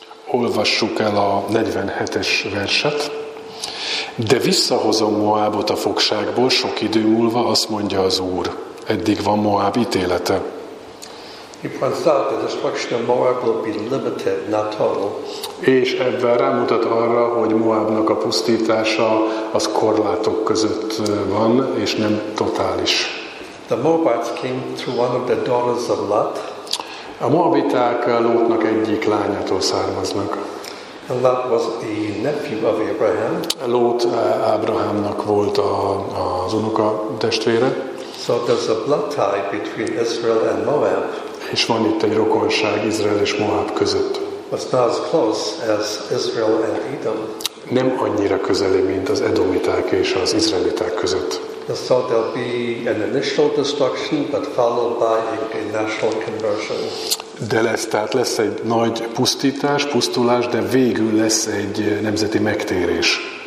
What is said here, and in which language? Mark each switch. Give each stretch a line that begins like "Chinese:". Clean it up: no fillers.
Hungarian: Olvassuk el a 47-es verset. De visszahozom Moabot a fogságból, sok idő múlva, azt mondja az Úr. Eddig van Moab ítélete.
English: He points out the destruction of Moab will be limited, not total.
Hungarian: És ebben rámutat arra, hogy Moabnak a pusztítása az korlátok között van, és nem totális.
English: The Moabites came through one of the daughters of Lot.
Hungarian: A Moabiták Lótnak egyik lányától származnak.
English: And Lot was the nephew of Abraham.
Hungarian: Lót Ábrahámnak volt az unoka testvére.
English: So there's a blood tie between Israel and Moab.
Hungarian: és van itt egy rokonság Izrael és Moab között.
English: But not as close as Israel and Edom.
Hungarian: Nem annyira közeli, mint az edomiták és az izraeliták között.
English: So there'll be an initial destruction, but followed by a national conversion.
Hungarian: De lesz, tehát lesz egy nagy pusztítás, pusztulás, de végül lesz egy nemzeti megtérés.